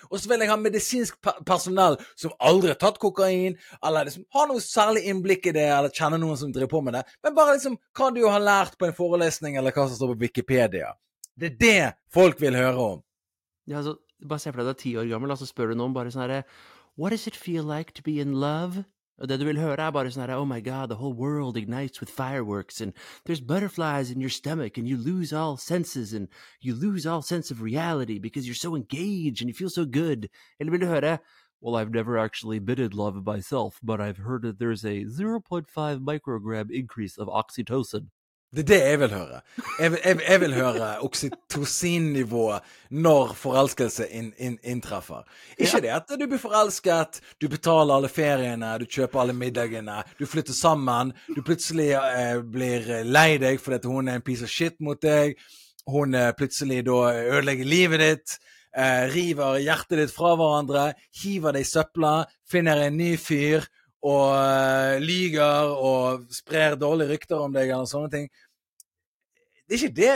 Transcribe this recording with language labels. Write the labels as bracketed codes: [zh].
[no] Og så vil jeg ha medisinsk personell som aldri har tatt kokain, eller liksom har noe særlig innblikk i det, eller kjenner noen som driver på med det. Men bare liksom, hva du har lært på en forelesning, eller hva som står på Wikipedia. Det er det folk vil høre om. Ja, altså, bare se på deg, du 10 år gammel, og så spør du noen bare sånn her, [en] what does it feel like to be in love? [no] Og det du vil høre bare sånn her, [en] oh my god, the whole world ignites with fireworks, and there's butterflies in your stomach, and you lose all senses, and you lose all sense of reality, because you're so engaged, and you feel so good. [no] Eller vil du høre, [en] well, I've never actually been in love myself, but I've heard that there's a 0.5 microgram increase of oxytocin. [no] Det er det jeg vil høre. Jeg vil høre oksytocin-nivået når forelskelse inntreffer. Ikke det at du blir forelsket, du betaler alle feriene, du kjøper alle middagene, du flytter sammen, du plutselig blir lei deg fordi hun er en [en] piece of shit [no] mot deg, hun plutselig da ødelegger livet ditt, river hjertet ditt fra hverandre, hiver deg i søpla, finner en ny fyr, og lyger og sprer dårlige rykter om deg eller sånne ting. Det er ikke det.